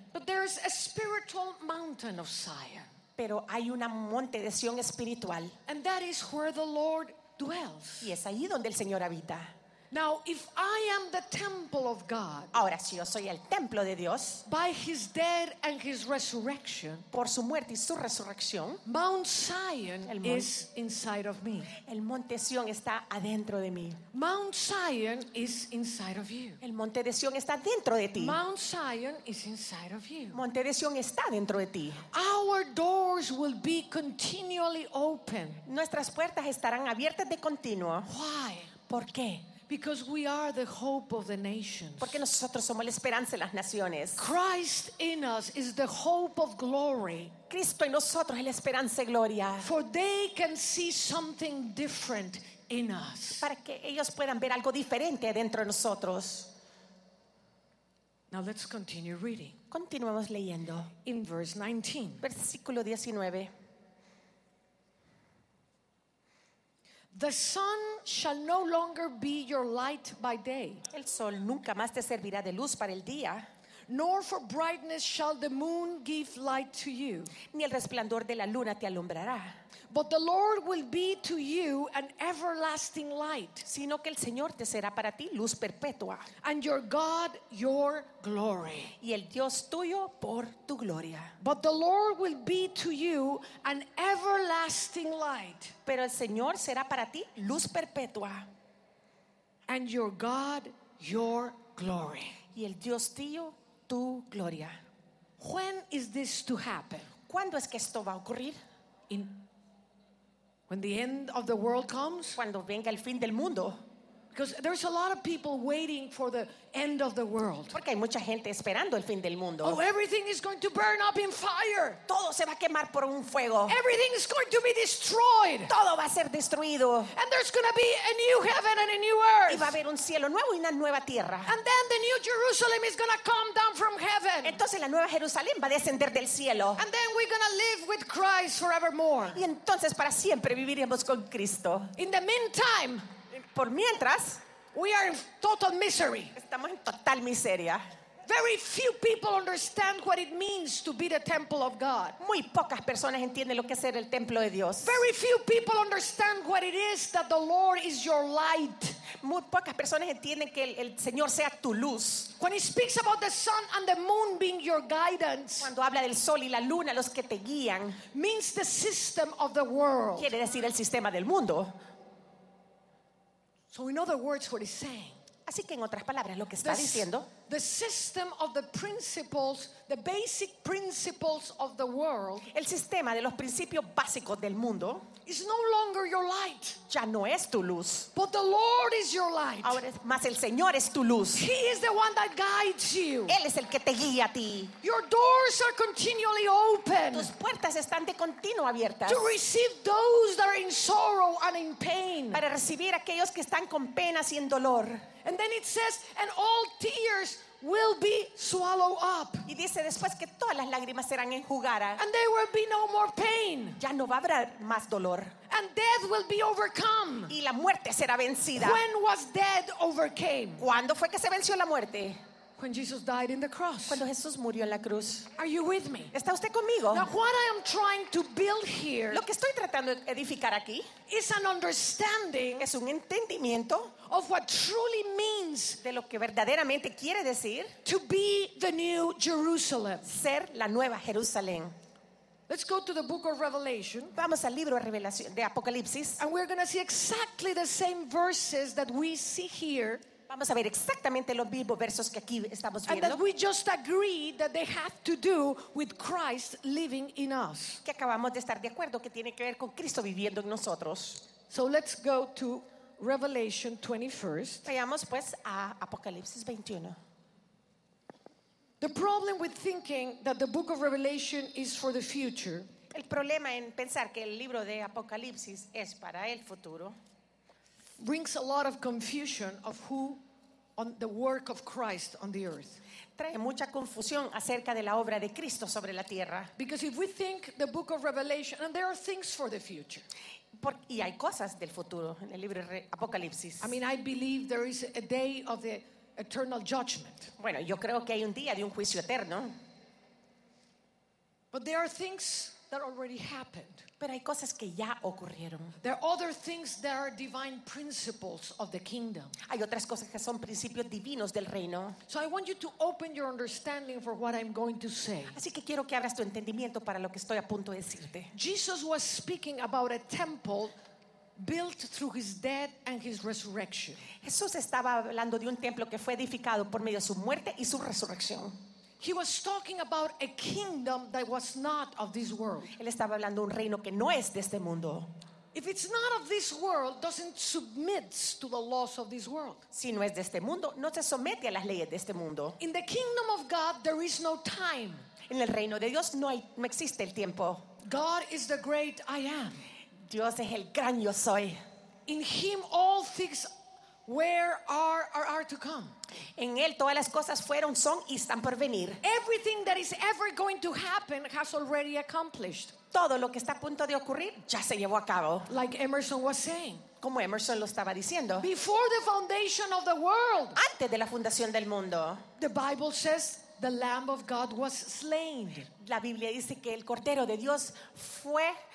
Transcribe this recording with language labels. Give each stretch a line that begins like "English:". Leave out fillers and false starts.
English: But there is a spiritual mountain of Zion.
Spanish: Pero hay una monte de Sion espiritual.
English: And that is where the Lord dwells.
Spanish: Y es allí donde el Señor habita.
English: Now, if I am the temple of God,
Spanish: ahora si yo soy el templo de Dios,
English: by His death and His resurrection,
Spanish: por su muerte y su resurrección,
English: Mount Zion is inside of me.
Spanish: El monte Sion está adentro de mí.
English: Mount Zion is inside of you.
Spanish: El monte de Sion está dentro de ti.
English: Mount Zion is inside of you.
Spanish: Monte de Sion está dentro de ti.
English: Our doors will be continually open.
Spanish: Nuestras puertas estarán abiertas de continuo.
English: Why?
Spanish: ¿Por qué?
English: Because we are the hope of the nations.
Spanish: Porque nosotros somos la esperanza de las naciones.
English: Christ in us is the hope of glory.
Spanish: Cristo en nosotros es la esperanza y gloria.
English: For they can see something different in us.
Spanish: Para que ellos puedan ver algo diferente dentro de nosotros.
English: Now let's continue reading.
Spanish: Continuemos leyendo.
English: In verse 19.
Spanish: Versículo 19.
English: The sun shall no longer be your light by day.
Spanish: El sol nunca más te servirá de luz para el día.
English: Nor for brightness shall the moon give light to you.
Spanish: Ni el resplandor de la luna te alumbrará.
English: But the Lord will be to you an everlasting light.
Spanish: Sino que el Señor te será para ti luz perpetua.
English: And your God your glory.
Spanish: Y el Dios tuyo por tu gloria.
English: But the Lord will be to you an everlasting light.
Spanish: Pero el Señor será para ti luz perpetua.
English: And your God your glory.
Spanish: Y el Dios tuyo tu gloria.
English: When is this to happen?
Spanish: ¿Cuándo es que esto va a ocurrir?
English: When the end of the world comes?
Spanish: Cuando venga el fin del mundo.
English: Because there's a lot of people waiting for the end of the world.
Spanish: Porque hay mucha gente esperando el fin del mundo.
English: Oh, everything is going to burn up in fire.
Spanish: Todo se va a quemar por un fuego.
English: Everything is going to be destroyed.
Spanish: Todo va a ser destruido.
English: And there's going to be a new heaven and a new earth.
Spanish: Y va a haber un cielo nuevo y una nueva tierra.
English: And then the new Jerusalem is going to come down from heaven.
Spanish: Entonces la nueva Jerusalén va a descender del cielo.
English: And then we're going to live with Christ forevermore.
Spanish: Y entonces para siempre viviremos con Cristo.
English: In the meantime,
Spanish: por mientras,
English: we are in total misery.
Spanish: Estamos en total miseria.
English: Very few people understand what it means to be the temple of God.
Spanish: Muy pocas personas entienden lo que es ser el templo de Dios.
English: Very few people understand what it is that the Lord is your light.
Spanish: Muy pocas personas entienden que el Señor sea tu luz.
English: When he speaks about the sun and the moon being your guidance.
Spanish: Cuando habla del sol y la luna los que te guían.
English: Means the system of the world.
Spanish: Quiere decir el sistema del mundo.
English: So in other words, what he's saying.
Spanish: Así que en otras palabras, lo que está diciendo.
English: The system of the principles, the basic principles of the world.
Spanish: El sistema de los principios básicos del mundo.
English: Is no longer your light.
Spanish: ya no es tu luz.
English: But the Lord is your light.
Spanish: Ahora, mas el Señor es tu luz.
English: He is the one that guides you.
Spanish: Él es el que te guía a ti.
English: Your doors are continually open.
Spanish: Tus puertas están de continuo abiertas.
English: To receive those that are in sorrow and in pain.
Spanish: Para recibir aquellos que están con penas y en dolor.
English: And then it says, and all tears will be swallowed up.
Spanish: Y dice después que todas las lágrimas serán enjugadas.
English: And there will be no more pain.
Spanish: Ya no va a haber más dolor.
English: And death will be overcome.
Spanish: Y la muerte será vencida.
English: When was death overcame?
Spanish: ¿Cuándo fue que se venció la muerte?
English: When Jesus died in the cross.
Spanish: Cuando Jesús murió en la cruz.
English: Are you with me?
Spanish: ¿Está usted conmigo?
English: Now what I am trying to build here.
Spanish: Lo que estoy tratando de edificar aquí.
English: Is an understanding.
Spanish: Es un entendimiento.
English: Of what truly means.
Spanish: De lo que verdaderamente quiere decir.
English: To be the new Jerusalem.
Spanish: Ser la nueva Jerusalén.
English: Let's go to the book of Revelation.
Spanish: Vamos al libro de Apocalipsis.
English: And we're going to see exactly the same verses that we see here.
Spanish: Vamos a ver exactamente los mismos versos que aquí estamos viendo.
English: And that we just agreed that they have to do with Christ living in us.
Spanish: Que acabamos de estar de acuerdo que tiene que ver con Cristo viviendo en nosotros.
English: So let's go to Revelation 21.
Spanish: Vayamos pues a Apocalipsis 21.
English: The problem with thinking that the book of Revelation is for the future.
Spanish: El problema en pensar que el libro de Apocalipsis es para el futuro.
English: Brings a lot of confusion of who on the work of Christ on the earth.
Spanish: Trae mucha confusión acerca de la obra de Cristo sobre la tierra.
English: Because if we think the book of Revelation, and there are things for the future.
Spanish: Y hay cosas del futuro en el libro de Apocalipsis.
English: I mean, I believe there is a day of the eternal judgment.
Spanish: Bueno, yo creo que hay un día de un juicio eterno.
English: But there are things that already happened.
Spanish: Pero hay cosas que ya ocurrieron.
English: There are other things that are divine principles of the kingdom.
Spanish: Hay otras cosas que son principios divinos del reino.
English: So I want you to open your understanding for what I'm going to say.
Spanish: Así que quiero que abras tu entendimiento para lo que estoy a punto de decirte.
English: Jesus was speaking about a temple built through his death and his resurrection.
Spanish: Jesús estaba hablando de un templo que fue edificado por medio de su muerte y su resurrección.
English: He was talking about a kingdom that was not of this world.
Spanish: Él estaba hablando de un reino que no es de este mundo.
English: If it's not of this world, doesn't submit to the laws of this world.
Spanish: Si no es de este mundo, no se somete a las leyes de este mundo.
English: In the kingdom of God, there is no time.
Spanish: En el reino de Dios no existe el tiempo.
English: God is the great I am.
Spanish: Dios es el gran yo soy.
English: In him all things are to come.
Spanish: En él todas las cosas fueron, son y están por venir.
English: Everything that is ever going to happen has already accomplished.
Spanish: Todo lo que está a punto de ocurrir ya se llevó a cabo.
English: Like Emerson was saying.
Spanish: Como Emerson lo estaba diciendo.
English: Before the foundation of the world.
Spanish: Antes de la fundación del mundo.
English: The Bible says the Lamb of God was slain.
Spanish: La Biblia dice que el Cordero de Dios fue